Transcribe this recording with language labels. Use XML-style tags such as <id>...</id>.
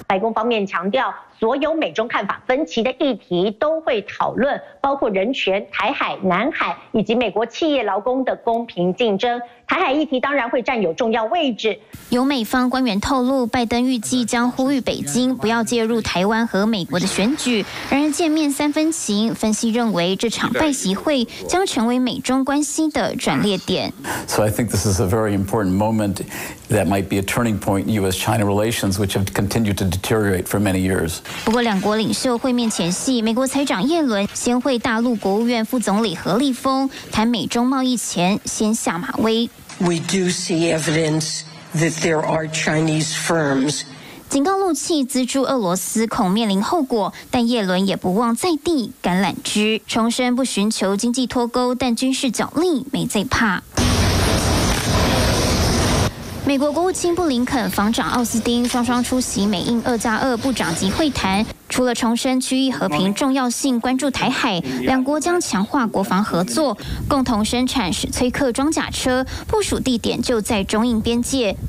<zh>白宫方面强调，所有美中看法分歧的议题都会讨论，包括人权、台海、南海以及美国企业劳工的公平竞争。台海议题当然会占有重要位置。有美方官员透露，拜登预计将呼吁北京不要介入台湾和美国的选举。然而见面三分情，分析认为这场拜习会将成为美中关系的转捩点。</zh> <en>So I think this is a very important moment that might be a turning point in U.S.-China relations, which have continued to deteriorate for many years.</en> <zh>不过两国领袖会面前夕，美国财长耶伦先会大陆国务院副总理何立峰，谈美中贸易前先下马威。</zh> <en>We do see evidence that there are Chinese firms.</en> <zh>警告怒气资助俄罗斯恐面临后果，但叶伦也不忘在地橄榄枝，重申不寻求经济脱钩，但军事角力没最怕。美国国务卿布林肯、防长奥斯汀双双出席美印2+2部长级会谈，除了重申区域和平重要性，关注台海，两国将强化国防合作，共同生产史崔克装甲车，部署地点就在中印边界。</zh>